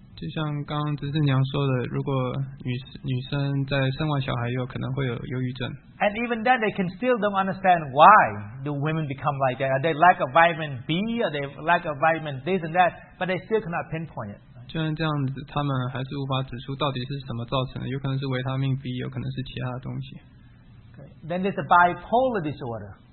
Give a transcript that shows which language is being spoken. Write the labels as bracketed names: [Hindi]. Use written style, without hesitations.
[Chinese] 就像刚刚执事娘说的，如果女生在生完小孩以后，可能会有忧郁症。 [English] And even then, they can still don't understand why do women become like that. Are they lack of vitamin B? Are they lack of vitamin this and that? But they still cannot pinpoint it. [Chinese] 就像这样子，他们还是无法指出到底是什么造成的。有可能是维他命 B， 有可能是其他的东西。 [English] Okay. Then there's a bipolar disorder.